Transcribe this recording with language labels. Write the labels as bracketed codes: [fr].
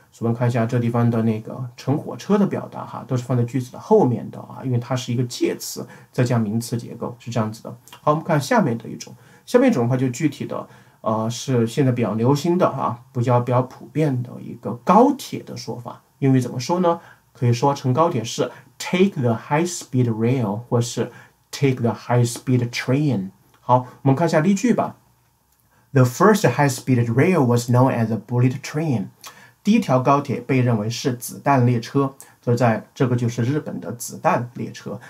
[zh] 我们看一下这地方的那个乘火车的表达哈，都是放在句子的后面的啊，因为它是一个介词，再加名词结构，是这样子的。好，我们看下面的一种，下面一种的话就具体的，是现在比较流行的哈、比较普遍的一个高铁的说法，英语怎么说呢？可以说乘高铁是。 [en] Take the high speed rail, [zh] 或是 [en] take the high speed train. [zh] 好，我们看一下例句吧。 [en] The first high speed rail was known as a bullet train. [zh] 第一条高铁被认为是子弹列车，所以在这个就是日本的子弹列车。